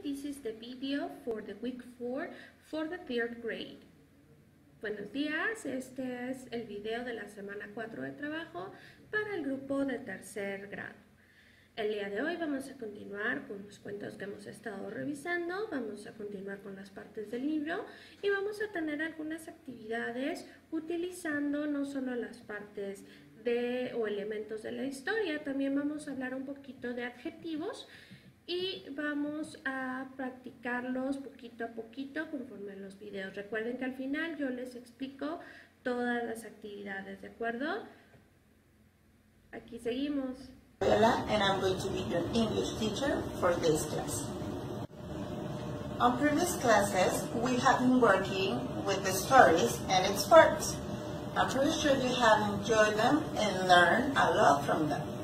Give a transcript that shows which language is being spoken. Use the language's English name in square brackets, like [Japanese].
[English] This is the video for the week 4 for the third grade. [Spanish] Buenos días, este es el video de la semana 4 de trabajo para el grupo de tercer grado. El día de hoy vamos a continuar con los cuentos que hemos estado revisando, vamos a continuar con las partes del libro y vamos a tener algunas actividades utilizando no solo las partes de o elementos de la historia, también vamos a hablar un poquito de adjetivos y vamos a practicarlos poquito a poquito conforme los videos. Recuerden que al final yo les explico todas las actividades, ¿de acuerdo? Aquí seguimos. [English] Hola, and I'm going to be your English teacher for this class. On previous classes, we have been working with the stories and its parts. I'm pretty sure you have enjoyed them and learned a lot from them.